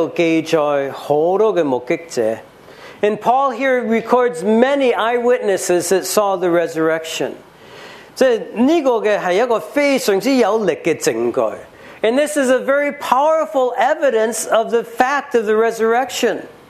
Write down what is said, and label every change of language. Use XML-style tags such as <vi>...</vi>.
<zh>保罗在这里记载很多的目击者,</zh> <en>and Paul here records many eyewitnesses that saw the resurrection.</en> <zh>这个是一个非常有力的证据,</zh> <en>and this is a very powerful evidence of the fact of the resurrection.</en>